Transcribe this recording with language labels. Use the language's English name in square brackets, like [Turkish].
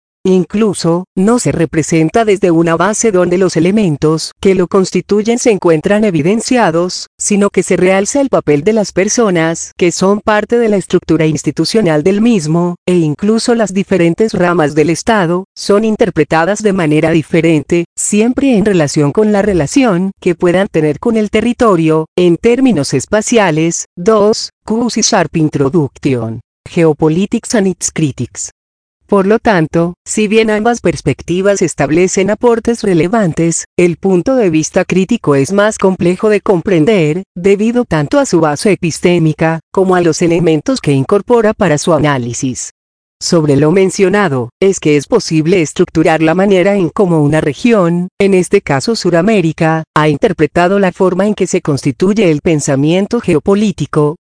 [Spanish] Incluso, no se representa desde una base donde los elementos que lo constituyen se encuentran evidenciados, sino que se realza el papel de las personas que son parte de la estructura institucional del mismo, e incluso las diferentes ramas del Estado son interpretadas de manera diferente, siempre en relación con la relación que puedan tener con el territorio, en términos espaciales. [English] 2. Cusi Sharp Introduction. Geopolitics and its Critics. [Spanish] Por lo tanto, si bien ambas perspectivas establecen aportes relevantes, el punto de vista crítico es más complejo de comprender, debido tanto a su base epistémica, como a los elementos que incorpora para su análisis. Sobre lo mencionado, es que es posible estructurar la manera en cómo una región, en este caso Sudamérica, ha interpretado la forma en que se constituye el pensamiento geopolítico,